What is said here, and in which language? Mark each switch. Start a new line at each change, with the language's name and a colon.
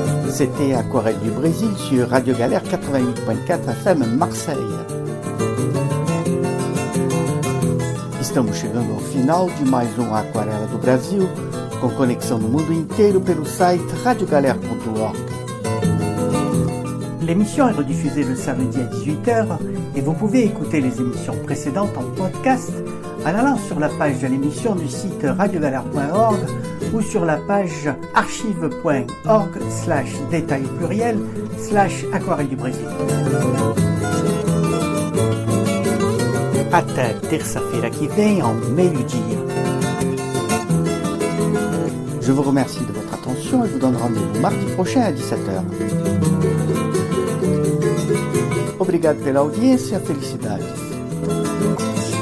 French: C'était Aquarelle du Brésil sur Radio Galère 88.4 FM Marseille.
Portuguese: Estamos chegando ao final de mais um Aquarela do Brasil, com conexão no mundo inteiro pelo site radiogalere.org.
French: L'émission est rediffusée le samedi à 18h et vous pouvez écouter les émissions précédentes en podcast en allant sur la page de l'émission du site radiogalere.org ou sur la page archive.org/détail/aquarelle du Brésil.
Portuguese: Até terça-feira que vem, en meio-dia.
French: Je vous remercie de votre attention et vous donne rendez-vous mardi prochain à 17h.
Portuguese: Obrigado pela audiência e felicidades.